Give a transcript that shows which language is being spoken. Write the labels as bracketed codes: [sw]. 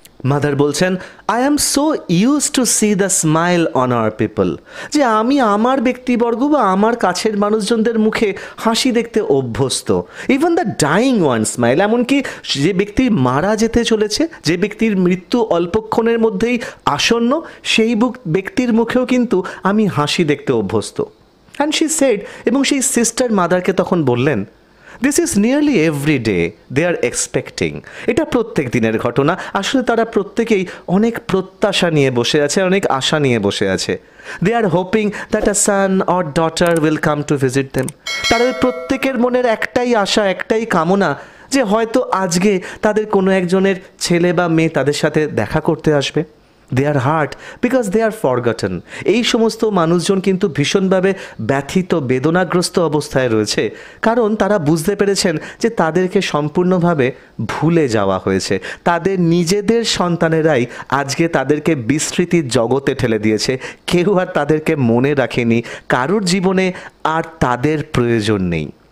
[bn] Mother বলছেন, [en] I am so used to see the smile on our people, [bn] যে আমি আমার ব্যক্তিবর্গ বা আমার কাছের মানুষজনদের মুখে হাসি দেখতে অভ্যস্ত, [en] even the dying one smile, [bn] এমনকি যে ব্যক্তি মারা যেতে চলেছে, যে ব্যক্তির মৃত্যু অল্পক্ষণের মধ্যেই আসন্ন, সেই ব্যক্তির মুখেও কিন্তু আমি হাসি দেখতে অভ্যস্ত। [en] and she said, [bn] এবং সেই সিস্টার মাদারকে তখন বললেন, [en] This is nearly every day they are expecting. [bn] এটা প্রত্যেক দিনের ঘটনা, আসলে তারা প্রত্যেকেই অনেক প্রত্যাশা নিয়ে বসে আছে, অনেক আশা নিয়ে বসে আছে। [en] They are hoping that a son or daughter will come to visit them. [bn] তাদের প্রত্যেকের মনের একটাই আশা, একটাই কামনা, যে হয়তো আজকে তাদের কোনো একজনের ছেলে বা মেয়ে তাদের সাথে দেখা করতে আসবে। [en] They are hurt because they are forgotten. [bn] এই সমস্ত মানুষজন কিন্তু ভীষণভাবে ব্যথিত, বেদনাগ্রস্ত অবস্থায় রয়েছে, কারণ তারা বুঝতে পেরেছেন যে তাদেরকে সম্পূর্ণভাবে ভুলে যাওয়া হয়েছে, তাদের নিজেদের সন্তানেরাই আজকে তাদেরকে বিস্মৃতির জগতে ঠেলে দিয়েছে, কেউ আর তাদেরকে মনে রাখেনি, কারোর জীবনে আর তাদের প্রয়োজন নেই।